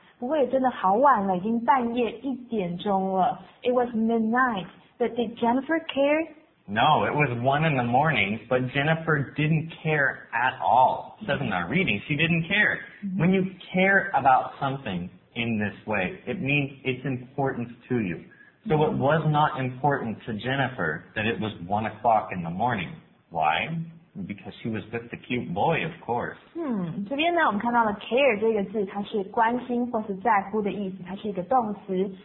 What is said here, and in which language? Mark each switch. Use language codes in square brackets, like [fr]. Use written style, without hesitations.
[zh] 不过也真的好晚了已经半夜一点钟了。 [en] It was midnight, but did Jennifer care? No, it was one in the morning, but Jennifer didn't care at all. Says in our reading, she didn't care. When you care about something in this way, it means it's important to you. So it was not important to Jennifer that it was 1 o'clock in the morning. Why? Because she was with the cute boy, of course. [zh] 嗯，这边呢，我们看到了 care 这个字，它是关心或是在乎的意思，它是一个动词。